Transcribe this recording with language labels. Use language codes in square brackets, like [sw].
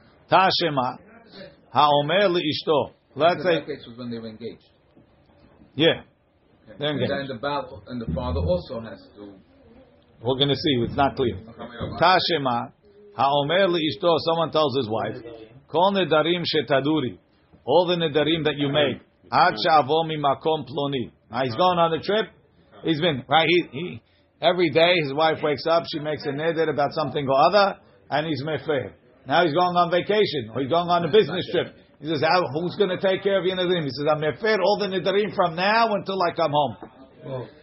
[he] תשמע, האומר לאשתו, [en] let's say, that case was when they were engaged. Yeah. They're engaged. And the baal and the father also has to, we're going to see, it's not clear. [he] תשמע, האומר לאשתו, [en] someone tells his wife, [he] כל נדרים שתדורי, [en] all the נדרים that you make, [he] עד שעבור ממקום פלוני. [en] He's going on a trip, he's been, right, he every day his wife wakes up, she makes a neder about something or other, and he's mefer. Now he's going on vacation, or he's going on a business trip. He says, who's going to take care of your nedarim? He says, I'm mefer all the nedarim from now until I come home.